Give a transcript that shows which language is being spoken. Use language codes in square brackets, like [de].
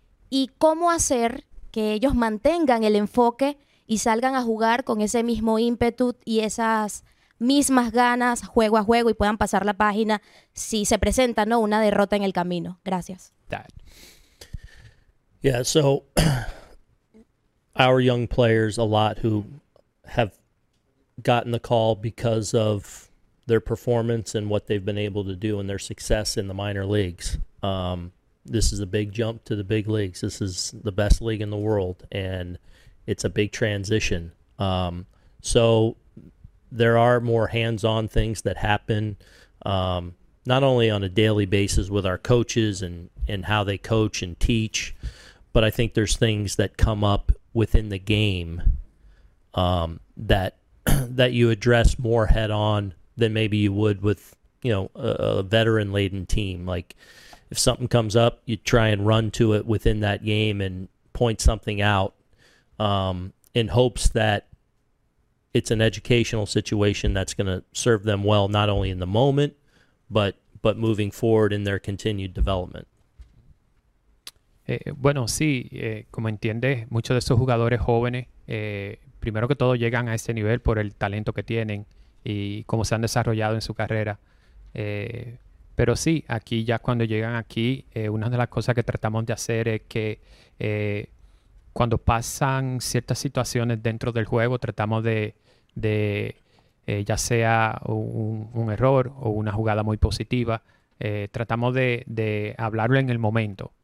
[es] ¿Y cómo hacer que ellos mantengan el enfoque y salgan a jugar con ese mismo ímpetu y esas mismas ganas juego a juego y puedan pasar la página si se presenta, ¿no?, una derrota en el camino? Gracias. [en] Dad. Yeah, so... Our young players, a lot who have gotten the call because of their performance and what they've been able to do and their success in the minor leagues. This is a big jump to the big leagues. This is the best league in the world, and it's a big transition. So there are more hands-on things that happen, not only on a daily basis with our coaches and how they coach and teach, but I think there's things that come up within the game that you address more head on than maybe you would with, you know, a veteran laden team. Like if something comes up, you try and run to it within that game and point something out in hopes that it's an educational situation that's going to serve them well, not only in the moment, but moving forward in their continued development. [es] Bueno, sí, como entiendes, muchos de estos jugadores jóvenes, primero que todo, llegan a este nivel por el talento que tienen y cómo se han desarrollado en su carrera. Pero sí, aquí ya cuando llegan aquí, una de las cosas que tratamos de hacer es que cuando pasan ciertas situaciones dentro del juego, tratamos de ya sea un error o una jugada muy positiva, tratamos de hablarlo en el momento.